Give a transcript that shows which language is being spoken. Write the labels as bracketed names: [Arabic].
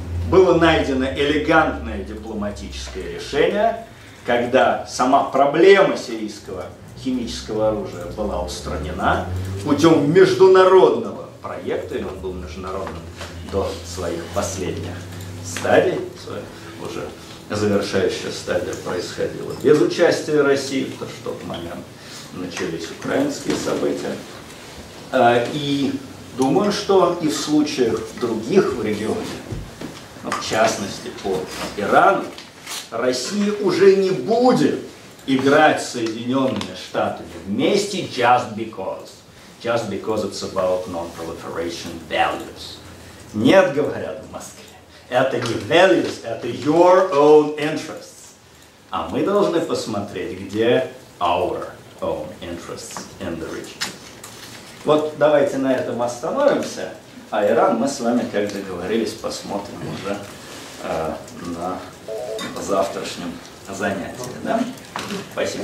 [Russian] Было найдено элегантное дипломатическое решение, когда сама проблема сирийского химического оружия была устранена путем международного проекта, и он был международным до своих последних стадий, уже завершающая стадия происходила без участия России, потому что в тот момент начались украинские события. И думаю, что и в случаях других в регионе, в частности по Ирану, Россия уже не будет играть с Соединенными Штатами вместе [English] just because. Just because it's about non-proliferation values. [Russian] Нет, говорят в Москве, это не values, это [English] your own interests. [Russian] А мы должны посмотреть, где [English] our own interests in the region. [Russian] Вот давайте на этом остановимся, а Иран мы с вами, как договорились, посмотрим уже на завтрашнем занятии. Да? Спасибо.